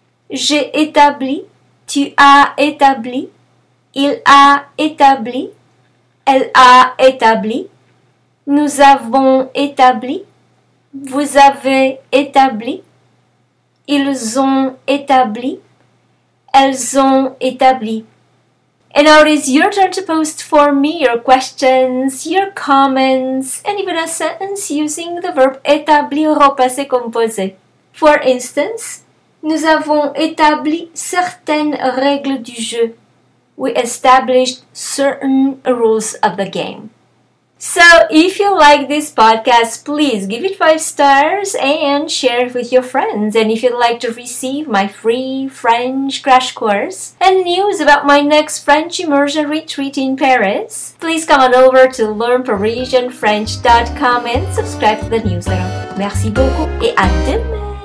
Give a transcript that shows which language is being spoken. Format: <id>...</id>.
<fr>J'ai établi, tu as établi, il a établi, elle a établi, nous avons établi, vous avez établi, ils ont établi, elles ont établi.</fr> <en>And now it is your turn to post for me your questions, your comments, and even a sentence using the verb établir au passé composé.</en> <fr>For instance, nous avons établi certaines règles du jeu.</fr> <en>We established certain rules of the game. So if you like this podcast, please give it 5 stars and share it with your friends. And if you'd like to receive my free French crash course and news about my next French immersion retreat in Paris, please come on over to learnparisianfrench.com and subscribe to the newsletter. Merci beaucoup et à demain!</en>